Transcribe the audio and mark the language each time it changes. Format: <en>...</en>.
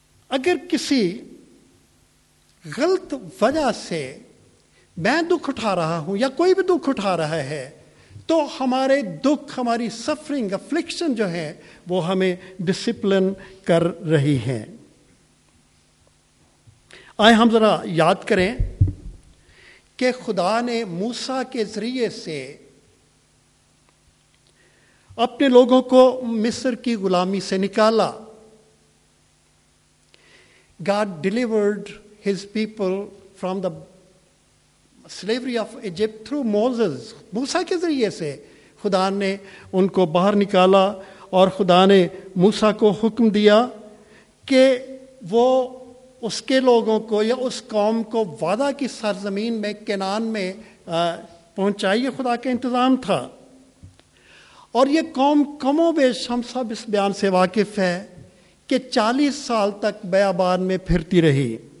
<ur>اگر کسی غلط وجہ سے میں دکھ اٹھا رہا ہوں یا کوئی بھی دکھ اٹھا رہا ہے, تو ہمارے دکھ, ہماری سفرنگ, افلکشن جو ہیں وہ ہمیں ڈسپلن کر رہی ہیں. آئے ہم ذرا یاد کریں کہ خدا نے موسیٰ کے ذریعے سے اپنے لوگوں کو مصر کی غلامی سے نکالا.</ur> <en>God delivered his people from the slavery of Egypt through Moses.</en> <ur>موسیٰ کے ذریعے سے خدا نے ان کو باہر نکالا, اور خدا نے موسیٰ کو حکم دیا کہ وہ اس کے لوگوں کو یا اس قوم کو وعدہ کی سرزمین میں, کنعان میں پہنچائیے. خدا کا انتظام تھا, اور یہ قوم کم و بیش, ہم سب اس بیان سے واقف ہے, کہ 40 سال تک بیابان میں پھرتی رہی.</ur>